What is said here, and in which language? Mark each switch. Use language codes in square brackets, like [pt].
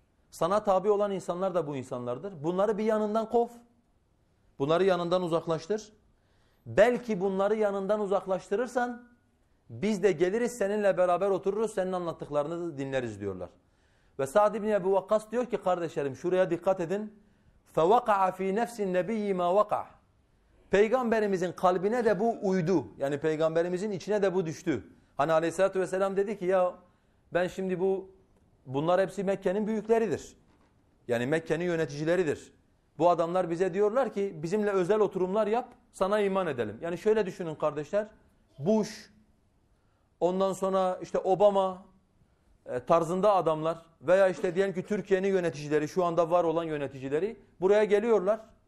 [tr] Sana tabi olan insanlar da bu insanlardır. Bunları bir yanından kov. Bunları yanından uzaklaştır. Belki bunları yanından uzaklaştırırsan biz de geliriz seninle beraber otururuz senin anlattıklarını dinleriz diyorlar. Ve Sa'd ibn Ebu Vakkas diyor ki kardeşlerim şuraya dikkat edin. [ar] فَوَقَعَ فِي نَفْسِ النَّبِيِّ مَا وَقَعَ [tr] Peygamberimizin kalbine de bu uydu. Yani peygamberimizin içine de bu düştü. Hani aleyhissalatü vesselam dedi ki ya ben şimdi bunlar hepsi Mekke'nin büyükleridir. Yani Mekke'nin yöneticileridir. Bu adamlar bize diyorlar ki bizimle özel oturumlar yap sana iman edelim. Yani şöyle düşünün kardeşler. Bush, ondan sonra işte Obama tarzında adamlar veya işte diyelim ki Türkiye'nin yöneticileri şu anda var olan yöneticileri buraya geliyorlar.